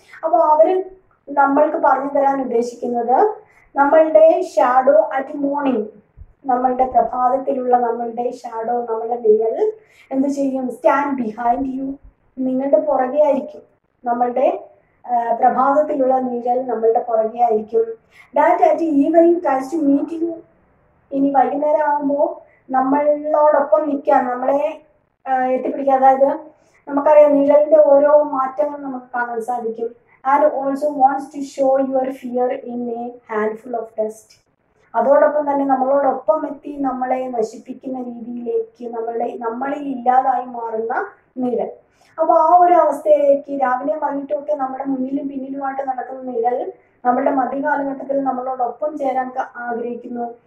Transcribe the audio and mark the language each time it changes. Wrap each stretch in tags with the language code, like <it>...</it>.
<ml>അപ്പോൾ അവർ നമ്മൾക്ക് പറഞ്ഞു തരാൻ ഉദ്ദേശിക്കുന്നത് നമ്മളുടെ</ml> <en>shadow at morning,</en> <ml>നമ്മളുടെ പ്രഭാതത്തിലുള്ള നമ്മളുടെ ഷാഡോ, നമ്മളുടെ വിരൽ എന്തു ചെയ്യും,</ml> <en>stand behind you,</en> <ml>നിങ്ങളുടെ പുറകെ ആയിരിക്കും, നമ്മളുടെ പ്രഭാതത്തിലുള്ള നിഴൽ നമ്മളുടെ പുറകെ ആയിരിക്കും.</ml> <en>that at evening tries to meet you,</en> <ml>ഇനി വൈകുന്നേരം ആകുമ്പോൾ നമ്മളോടൊപ്പം നിൽക്കാൻ, നമ്മളെ എത്തിപ്പിടിക്കുക. അതായത് നമുക്കറിയാം നിഴലിൻ്റെ ഓരോ മാറ്റങ്ങൾ നമുക്ക് കാണാൻ സാധിക്കും.</ml> <en>And also wants to show your fear in a handful of dust.</en> <ml>അതോടൊപ്പം തന്നെ നമ്മളോടൊപ്പം എത്തി നമ്മളെ നശിപ്പിക്കുന്ന രീതിയിലേക്ക് നമ്മളിൽ ഇല്ലാതായി മാറുന്ന നിഴൽ. അപ്പോൾ ആ ഒരു അവസ്ഥയിലേക്ക് രാവിലെയും വൈകിട്ടൊക്കെ നമ്മുടെ മുന്നിലും പിന്നിലുമായിട്ട് നടക്കുന്ന നിഴൽ നമ്മളുടെ മധ്യകാലഘട്ടത്തിൽ നമ്മളോടൊപ്പം ചേരാൻ ആഗ്രഹിക്കുന്നു.</ml>